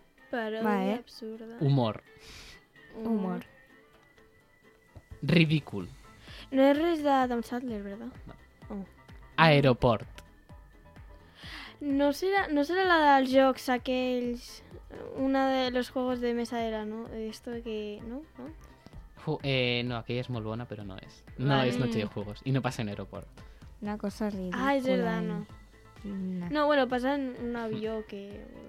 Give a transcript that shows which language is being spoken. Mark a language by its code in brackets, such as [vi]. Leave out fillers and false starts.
[ca] Paròdia, vale. Absurda. Humor. Humor. Ridícul. No és res d'Adam Sandler, [es] ¿verdad? [ca] No. Oh. Aeroport. No serà la dels jocs aquells... [es] Una de los juegos de mesa era, ¿no? Esto de que... ¿No? ¿No? [ca] No, aquella és molt bona, però no és. [es] No vale. [ca] és noche de juegos. I no passa en aeroport. Una cosa ridícula. Ah, és [es] verdad, [ca] no. No, no bueno, passa en un avió que...